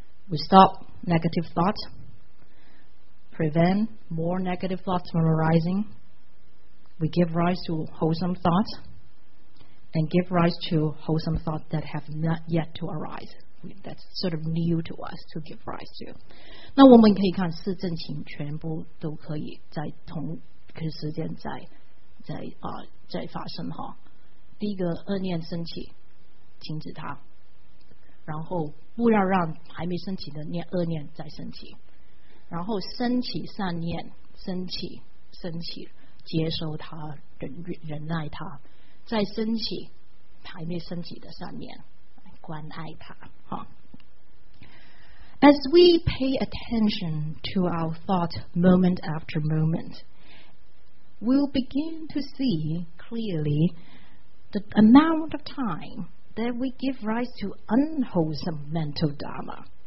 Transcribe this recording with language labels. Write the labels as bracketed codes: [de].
[en] We stop negative thoughts, prevent more negative thoughts from arising, we give rise to wholesome thoughts, and give rise to wholesome thoughts that have not yet to arise. That's sort of new to us to give rise to. [zh] 那我们可以看四正行全部都可以在同个时间在发生哈，第一个恶念升起，停止它，然后不要让还没升起的念恶念再升起，然后升起善念，升起升起，接受他，忍耐他，再升起还没升起的善念，关爱他。 [en] As we pay attention to our thought moment after moment, we'll begin to see clearly the amount of time that we give rise to unwholesome mental dharma.